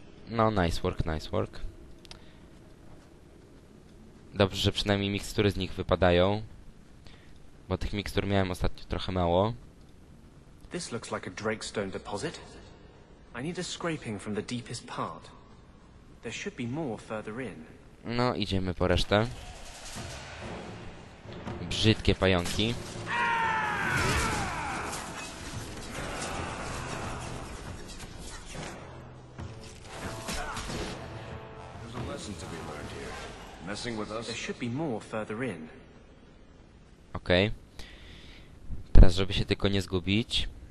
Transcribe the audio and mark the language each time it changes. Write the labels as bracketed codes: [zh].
[en] No, nice work. [pl] Dobrze, że przynajmniej mikstury z nich wypadają. Bo tych mikstur miałem ostatnio trochę mało. [en] This looks like a Drakestone deposit. I need a scraping from the deepest part. There should be more further in. [pl] No, idziemy po resztę. Brzydkie pająki. [en] There's a lesson to be learned here. Messing with us. There should be more further in. [pl] Okej. Żeby się tylko nie zgubić.